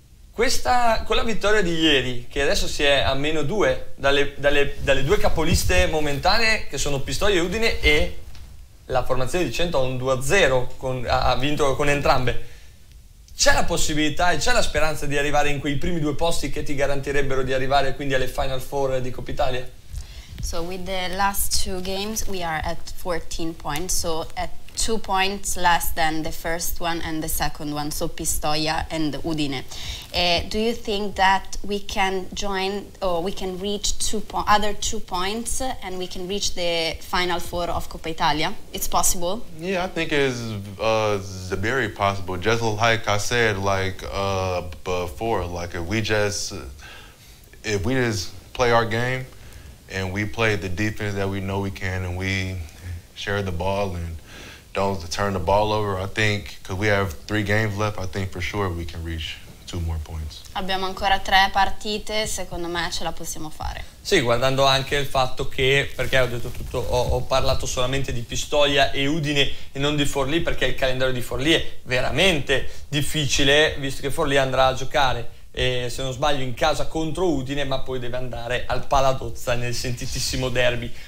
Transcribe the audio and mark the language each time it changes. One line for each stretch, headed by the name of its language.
Italian: Questa, con la vittoria di ieri, che adesso si è a meno due dalle due capoliste momentanee, che sono Pistoia e Udine, e la formazione di Cento ha un 2-0, ha vinto con entrambe. C'è la possibilità e c'è la speranza di arrivare in quei primi due posti che ti garantirebbero di arrivare quindi alle Final Four di Coppa Italia?
English: So with the last two games we are at 14 points, so at 2 points less than the first one and the second one, so Pistoia and Udine. Do you think that we can join or we can reach other two points and we can reach the Final Four of Coppa Italia? It's possible? Yeah, I think it's very possible. Just like I said, like before, like if we just play our game and we play the defense that we know we can and we share the ball and don't turn the ball over, I think, because we have 3 games left, I think for sure we can reach 2 more points.
Italian: Abbiamo ancora 3 partite, secondo me ce la possiamo fare. Sì, guardando anche il fatto che, perché ho detto tutto, ho parlato solamente di Pistoia e Udine e non di Forlì, perché il calendario di Forlì è veramente difficile, visto che Forlì andrà a giocare, se non sbaglio, in casa contro Udine, ma poi deve andare al Paladozza nel sentitissimo derby.